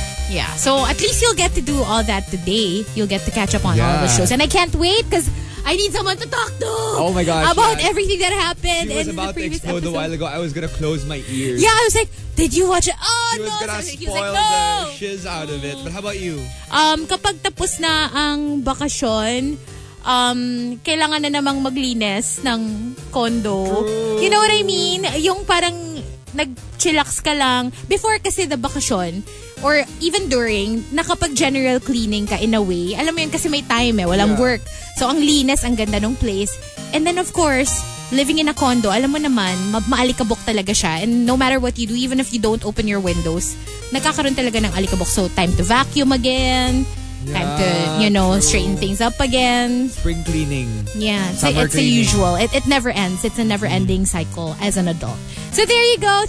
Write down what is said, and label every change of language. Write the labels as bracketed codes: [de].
[en] Yeah, so at least you'll get to do all that today. You'll get to catch up on all the shows. And I can't wait because I need someone to talk to. Oh my gosh. About everything that happened in the previous episode. She was about to explode a while ago. I was going to close my ears. Yeah, I was like, did you watch it? Oh, She was going to spoil the shiz out of it. But how about you? [tl] Kapag tapos na ang bakasyon, kailangan na namang maglinis ng condo. [en] True. You know what I mean? [tl] Yung parang nag-chillax ka lang. [en] Before kasi the bakasyon, or even during, nakapag-general cleaning ka in a way. [tl] Alam mo yun, kasi may time eh. Walang work. So, ang linis, ang ganda nung place. [en] And then, of course, living in a condo, [tl] alam mo naman, maalikabok talaga siya. [en] And no matter what you do, even if you don't open your windows, [tl] nakakaroon talaga ng alikabok. [en] So, time to vacuum again. Yeah, time to, you know, straighten things up again. Spring cleaning. Yeah. Summer cleaning. It's the usual. It never ends. It's a never-ending cycle as an adult. So there you go.